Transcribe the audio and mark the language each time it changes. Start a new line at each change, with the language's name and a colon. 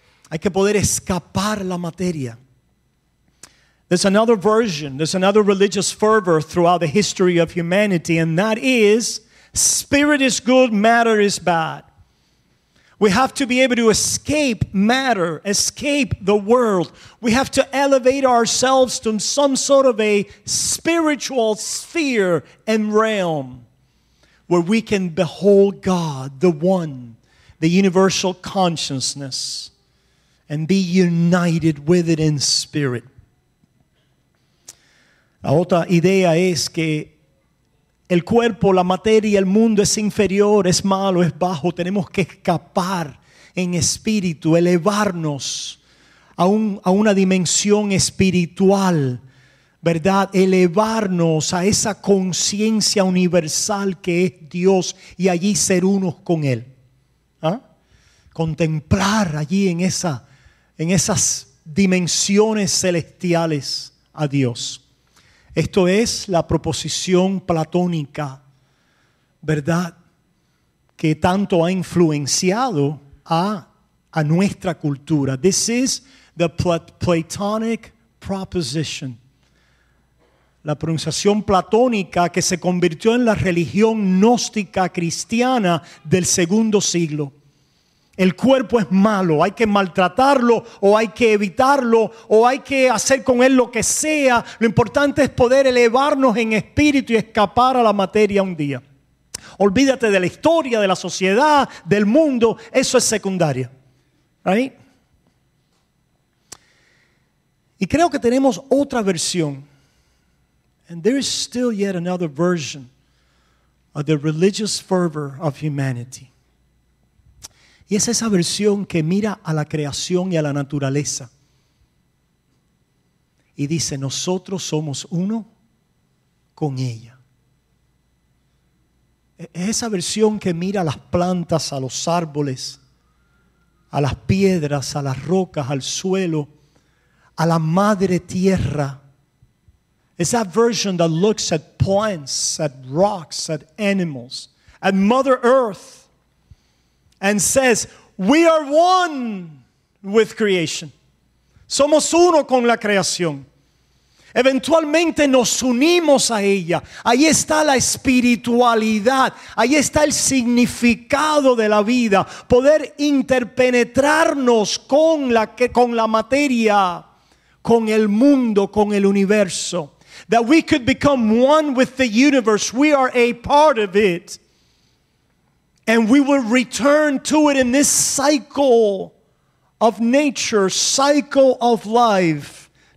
Spanish: Hay que poder escapar la materia.
English: There's another version, there's another religious fervor throughout the history of humanity, and that is, spirit is good, matter is bad. We have to be able to escape matter, escape the world. We have to elevate ourselves to some sort of a spiritual sphere and realm where we can behold God, the one, the universal consciousness, and be united with it in spirit.
Spanish: La otra idea es que el cuerpo, la materia, el mundo es inferior, es malo, es bajo. Tenemos que escapar en espíritu, elevarnos a una dimensión espiritual ¿verdad? Elevarnos a esa conciencia universal que es Dios y allí ser unos con Él. ¿Ah? Contemplar allí en esa, en esas dimensiones celestiales a Dios. Esto es la proposición platónica, ¿verdad? Que tanto ha influenciado a nuestra cultura.
English: This is the Platonic proposition.
Spanish: La pronunciación platónica que se convirtió en la religión gnóstica cristiana del segundo siglo. El cuerpo es malo, hay que maltratarlo o hay que evitarlo o hay que hacer con él lo que sea. Lo importante es poder elevarnos en espíritu y escapar a la materia un día. Olvídate de la historia, de la sociedad, del mundo, eso es secundario. ¿Right? Y creo que tenemos otra versión.
English: And there is still yet another version of the religious fervor of humanity.
Spanish: Y es esa versión que mira a la creación y a la naturaleza. Y dice, nosotros somos uno con ella. Es esa versión que mira a las plantas, a los árboles, a las piedras, a las rocas, al suelo, a la madre tierra.
English: It's that version that looks at plants, at rocks, at animals, at Mother Earth, and says, we are one with creation.
Spanish: Somos uno con la creación. Eventualmente nos unimos a ella. Ahí está la espiritualidad. Ahí está el significado de la vida. Poder interpenetrarnos con la materia, con el mundo, con el universo.
English: That we could become one with the universe. We are a part of it. And we will return to it in this cycle of nature, cycle of life.